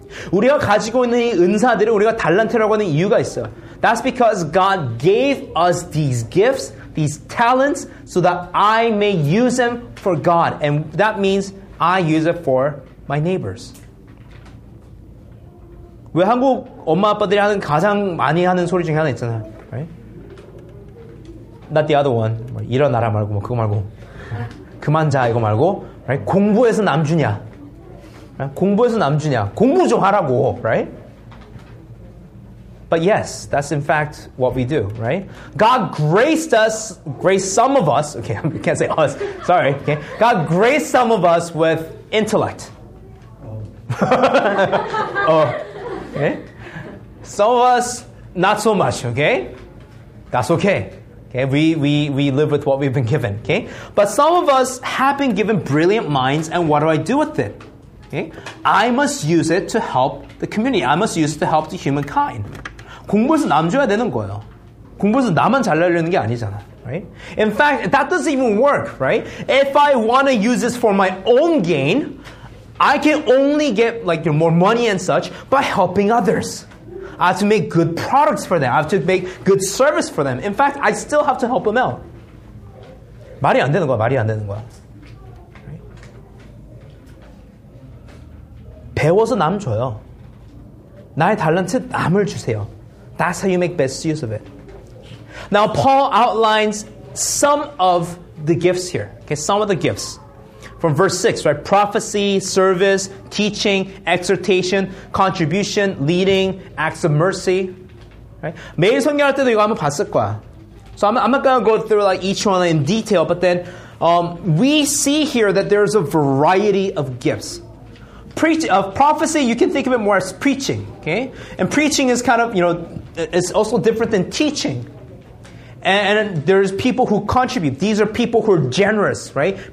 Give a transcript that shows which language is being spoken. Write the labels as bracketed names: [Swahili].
[Korean] 우리가 가지고 있는 이 은사들을 우리가 달란트라고 하는 이유가 있어. [English] That's because God gave us these gifts, these talents, so that I may use them for God. And that means I use it for my neighbors. [Korean] 왜 한국 엄마 아빠들이 하는 가장 많이 하는 소리 중에 하나 있잖아. [English] Right? Not the other one. [Korean] 뭐 일어나라 말고 뭐 그거 말고 그만 자 이거 말고 right? 공부해서 남 주냐? Right? 공부해서 남 주냐? 공부 좀 하라고. Right? [English] But yes, that's in fact what we do. Right? God graced us, graced some of us. Okay, I can't say us. Sorry. Okay. God graced some of us with intellect. Okay? Some of us, not so much, okay? That's okay. Okay, we live with what we've been given, okay? But some of us have been given brilliant minds, and what do I do with it? Okay? I must use it to help the community. I must use it to help the humankind. [Korean] 공부해서 남 줘야 되는 거예요. 공부해서 나만 잘나려는 게 아니잖아, [English] right? In fact, that doesn't even work, right? If I want to use this for my own gain, I can only get like more money and such by helping others. I have to make good products for them. I have to make good service for them. In fact, I still have to help them out. [Korean] 말이 안 되는 거야, 말이 안 되는 거야. Right? 배워서 남 줘요. 나의 달란트 남을 주세요. [English] That's how you make best use of it. Now, Paul outlines some of the gifts here. Okay, some of the gifts. From verse 6, right? Prophecy, service, teaching, exhortation, contribution, leading, acts of mercy. Right? [Korean] 매일 성경할 때도 이거 한번 봤을 거야. [English] So I'm not going to go through like each one in detail, but then we see here that there's a variety of gifts. Prophecy, you can think of it more as preaching, okay? And preaching is kind of, you know, it's also different than teaching. And there's people who contribute. These are people who are generous, right?